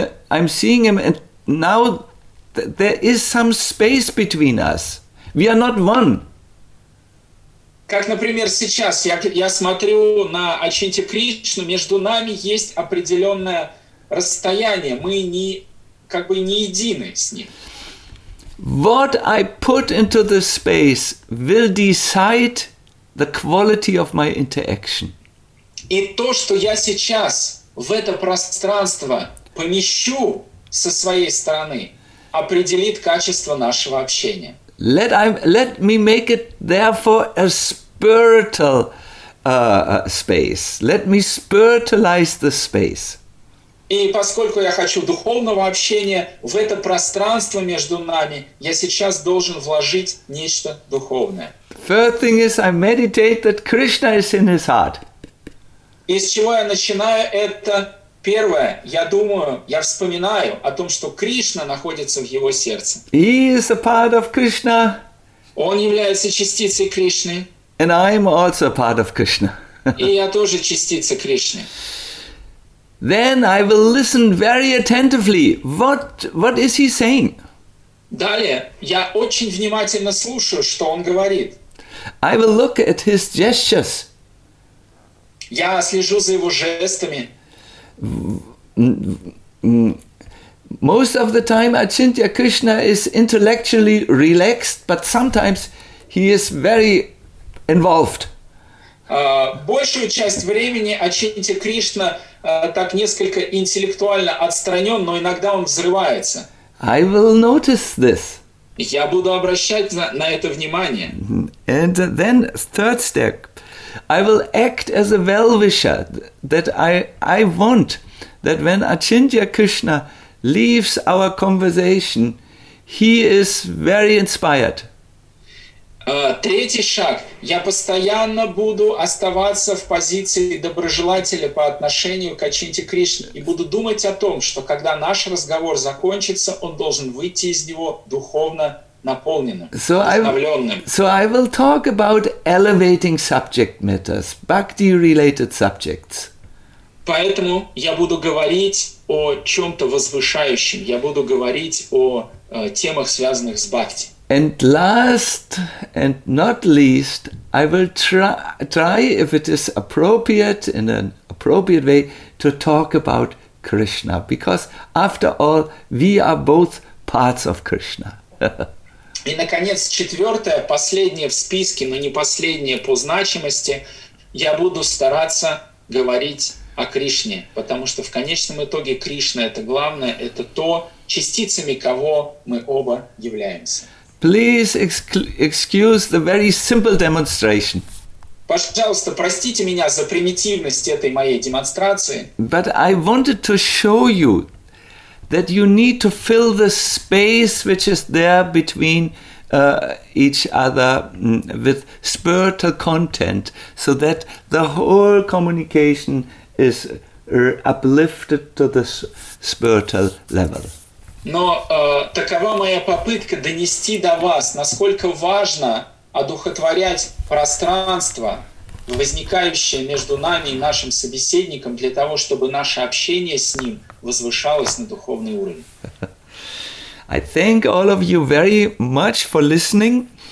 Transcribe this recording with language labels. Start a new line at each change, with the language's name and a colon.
English: I'm seeing him, and now there is some space between us. We are not one.
Russian: Как, например, сейчас я смотрю на Ачинтью Кришну. Между нами есть определенное расстояние. Мы не как бы не едины с ним.
English: What I put into the space will decide the quality of my interaction.
Russian: И то, что я сейчас в это пространство помещу со своей стороны, определит качество нашего общения.
English: Let me make it therefore a spiritual space. Let me spiritualize the space.
Russian: И поскольку я хочу духовного общения, в это пространство между нами я сейчас должен вложить нечто духовное.
English: First thing is, I meditate that Krishna is in his heart.
Russian: Из чего я начинаю, это первое. Я думаю, я вспоминаю о том, что Кришна находится в его сердце.
English: He is a part of Krishna.
Russian: Он является частицей Кришны.
English: And I am also a part of Krishna.
Russian: И я тоже частица Кришны.
English: Then I will listen very attentively. What is he saying?
Russian: Далее я очень внимательно слушаю, что он говорит.
English: I will look at his gestures.
Russian: Я слежу за его жестами.
English: Most of the time Achintya Krishna is intellectually relaxed, but sometimes he is very involved.
Russian: Большую часть времени Ачинтья Кришна так несколько интеллектуально отстранен, но иногда он взрывается.
English: I will notice this.
Russian: Я буду обращать на это внимание.
English: And then third step, I will act as a well-wisher that I want that when Achintya Krishna leaves our conversation, he is very inspired.
Russian: Третий шаг. Я постоянно буду оставаться в позиции доброжелателя по отношению к Ачинтье Кришне и буду думать о том, что когда наш разговор закончится, он должен выйти из него духовно наполненным, вдохновленным.
English: So I will talk about elevating subject matters, bhakti-related subjects.
Russian: Поэтому я буду говорить о чем-то возвышающем, я буду говорить о темах, связанных с бхакти.
English: And last and not least, I will try if it is appropriate, in an appropriate way, to talk about Krishna, because after all, we are both parts of Krishna.
Russian: И, наконец, четвертое, последнее в списке, но не последнее по значимости, я буду стараться говорить о Кришне, потому что в конечном итоге Кришна — это главное, это то, частицами кого мы оба являемся.
English: Please excuse the very simple demonstration.
Russian: Пожалуйста, простите меня за примитивность этой моей демонстрации.
English: But I wanted to show you that you need to fill the space which is there between each other with spiritual content, so that the whole communication is uplifted to the spiritual level.
Russian: Но такова моя попытка донести до вас, насколько важно одухотворять пространство, возникающее между нами и нашим собеседником, для того, чтобы наше общение с ним возвышалось на духовный уровень.
English: I thank all of you very much for listening.